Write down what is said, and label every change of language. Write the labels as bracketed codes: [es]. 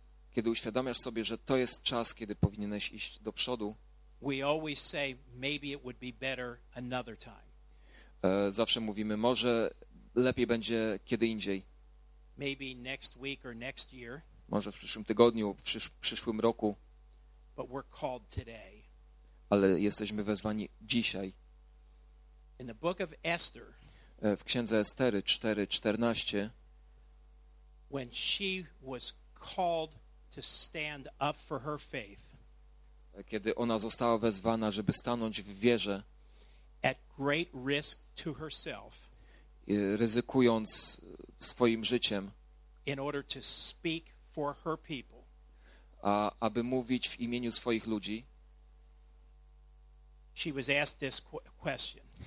[pl] Kiedy uświadamiasz sobie, że to jest czas, kiedy powinieneś iść do przodu, [en] we always say, maybe it would be better another time. [pl] Zawsze mówimy, może lepiej będzie kiedy indziej. [en] Maybe next week or next year. [pl] Może w przyszłym tygodniu, w przyszłym roku. [en] But we're called today. [pl] Ale jesteśmy wezwani dzisiaj. [en] In the book of Esther, [pl] w księdze Estery 4:14, [en] when she was called to to stand up for her faith. [pl] Kiedy ona została wezwana, żeby stanąć w wierze, [en] at great risk to herself, [pl] ryzykując swoim życiem, [en] in order to speak for her people, [pl] aby mówić w imieniu swoich ludzi, [en] she was asked this question.